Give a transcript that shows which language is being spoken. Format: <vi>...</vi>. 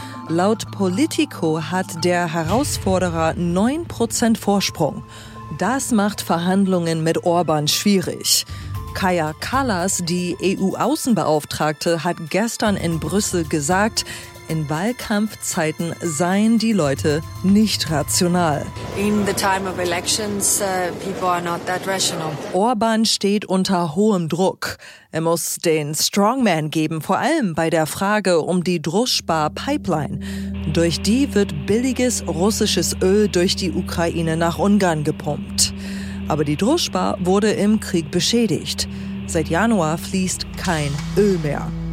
<de>Laut Politico hat der Herausforderer 9% Vorsprung. Das macht Verhandlungen mit Orbán schwierig. Kaya Kallas, die EU-Außenbeauftragte, hat gestern in Brüssel gesagt, in Wahlkampfzeiten seien die Leute nicht rational.</de> <en>In the time of elections, people are not that rational.</en> <de>Orbán steht unter hohem Druck. Er muss den Strongman geben, vor allem bei der Frage um die Druzhba-Pipeline. Durch die wird billiges russisches Öl durch die Ukraine nach Ungarn gepumpt. Aber die Druzhba wurde im Krieg beschädigt. Seit Januar fließt kein Öl mehr.</de>